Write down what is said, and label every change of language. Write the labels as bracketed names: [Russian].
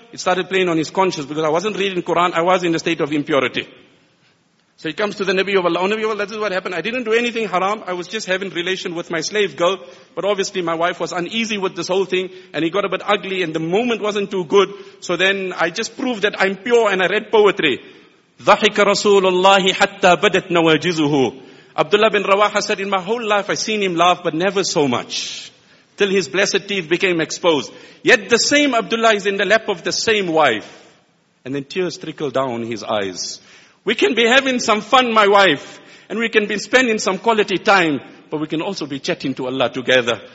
[English] It started playing on his conscience because I wasn't reading Quran. I was in a state of impurity. So he comes to the Nabi of Allah. Oh, Nabi of Allah, this is what happened. I didn't do anything haram. I was just having relation with my slave girl. But obviously my wife was uneasy with this whole thing. And he got a bit ugly and the moment wasn't too good. So then I just proved that I'm pure and I read poetry. [Arabic] ضحك رسول الله حتى بدت نواجزه. [English] Abdullah bin Rawaha said, in my whole life I've seen him laugh, but never so much. Till his blessed teeth became exposed. Yet the same Abdullah is in the lap of the same wife. And then tears trickle down his eyes. We can be having some fun, my wife. And we can be spending some quality time. But we can also be chatting to Allah together.